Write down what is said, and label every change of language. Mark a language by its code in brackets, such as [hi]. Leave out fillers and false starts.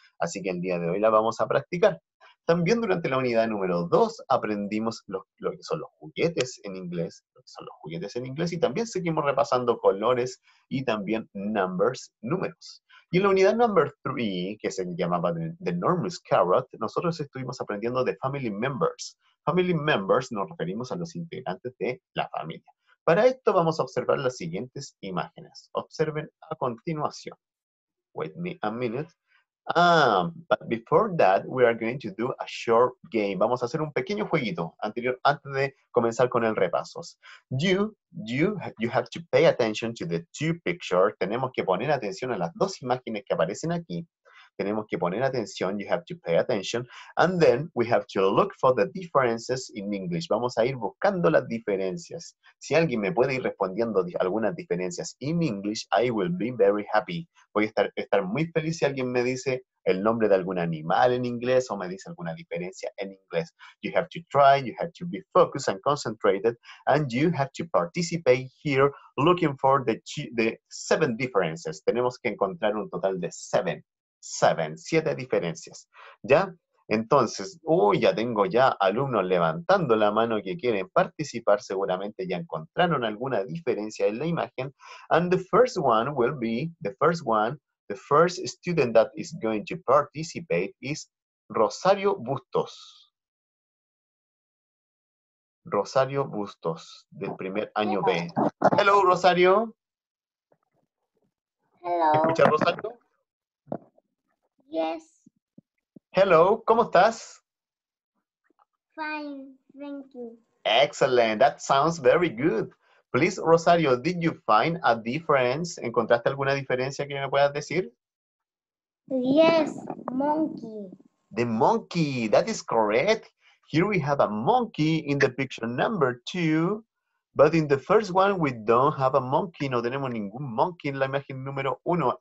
[es] Así que el día de hoy las vamos a practicar. También durante la unidad número 2 aprendimos lo que son los juguetes en inglés, lo que son los juguetes en inglés, y también seguimos repasando colores y también numbers, números. Y en la unidad number 3, que se llamaba The Enormous Carrot, nosotros estuvimos aprendiendo de family members. Family members nos referimos a los integrantes de la familia. Para esto vamos a observar las siguientes imágenes. Observen a continuación. [en] Wait me a minute. But before that, we are going to do a short game. [es] Vamos a hacer un pequeño jueguito antes de comenzar con el repaso. [en] You have to pay attention to the two pictures. [es] Tenemos que poner atención a las dos imágenes que aparecen aquí. Tenemos que poner atención, [en] you have to pay attention. And then we have to look for the differences in English. [es] Vamos a ir buscando las diferencias. Si alguien me puede ir respondiendo algunas diferencias [en] in English, I will be very happy. [es] Voy a estar muy feliz si alguien me dice el nombre de algún animal en inglés o me dice alguna diferencia en inglés. [en] You have to try, you have to be focused and concentrated, and you have to participate here looking for the 7 differences. [es] Tenemos que encontrar un total de 7. 7 diferencias, ¿ya? Entonces, ya tengo ya alumnos levantando la mano que quieren participar, seguramente ya encontraron alguna diferencia en la imagen. [en] And the first one will be, the first student that is going to participate is Rosario Bustos. [es] Rosario Bustos, del primer año B. [en] Hello, Rosario. Hello. [es] ¿Escuchas, Rosario? [en] Yes. Hello, [es] ¿cómo estás? [en] Fine, thank you. Excellent, that sounds very good. Please, Rosario, did you find a difference? [es] ¿Encontraste alguna diferencia que me puedas decir? [en] Yes, monkey. The monkey, that is correct. Here we have a monkey in the picture number 2, but in the first one we don't have a monkey. [es] No tenemos ningún monkey en la imagen número 1.